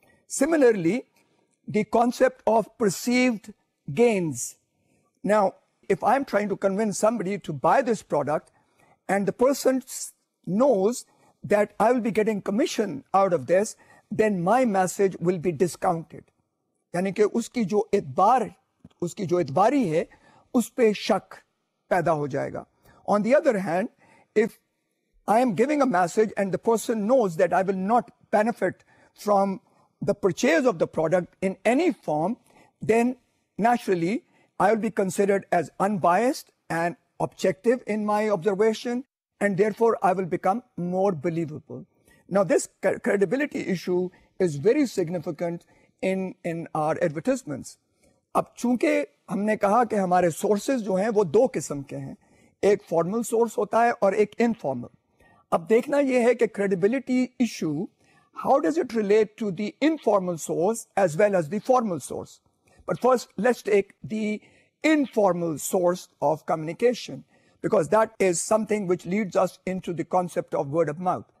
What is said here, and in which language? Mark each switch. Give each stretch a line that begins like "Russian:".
English: Similarly, the concept of perceived gains. Now, if I'm trying to convince somebody to buy this product and the person knows that I will be getting commission out of this, then my message will be discounted.
Urdu: یعنی کہ اس کی جو اعتبار اس کی جو اعتباری ہے اس پہ شک پیدا ہو جائے گا.
English: On the other hand, if I am giving a message and the person knows that I will not benefit from the purchase of the product in any form, then naturally I will be considered as unbiased and objective in my observation, and therefore I will become more believable. Now this credibility issue is very significant in our advertisements.
Urdu: اب چونکہ ہم نے کہا کہ ہمارے sources جو ہیں وہ دو قسم کے ہیں, ایک formal source ہوتا ہے اور ایک informal. اب دیکھنا یہ ہے کہ
English: credibility issue, how does it relate to the informal source as well as the formal source? But first, let's take the informal source of communication, because that is something which leads us into the concept of word of mouth.